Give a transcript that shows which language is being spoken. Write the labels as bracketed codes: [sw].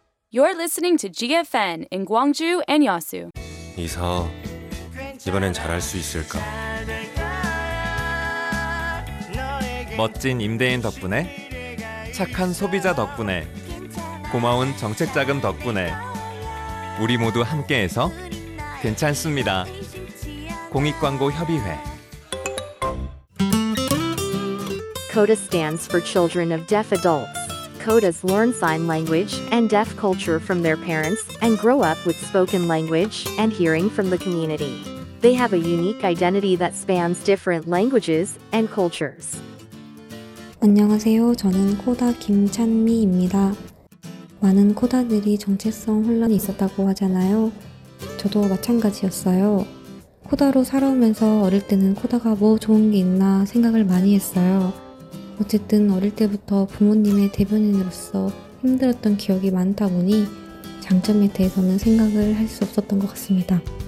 [en] you're listening to GFN in Gwangju and Yeosu. [ko] 이서, 이번엔 잘할 수 있을까? 멋진 임대인 덕분에, 착한 소비자 덕분에, 고마운 정책 자금 덕분에, 우리 모두 함께해서 괜찮습니다. 공익광고협의회. [en] CODA stands for Children of Deaf Adults. CODAs learn sign language and deaf culture from their parents and grow up with spoken language and hearing from the community. They have a unique identity that spans different languages and cultures. [ko] 안녕하세요. 저는 코다 김찬미입니다. 많은 코다들이 정체성 혼란이 있었다고 하잖아요. 저도 마찬가지였어요. 코다로 살아오면서 어릴 때는 코다가 뭐 좋은 게 있나 생각을 많이 했어요. 어쨌든 어릴 때부터 부모님의 대변인으로서 힘들었던 기억이 많다 보니 장점에 대해서는 생각을 할 수 없었던 것 같습니다.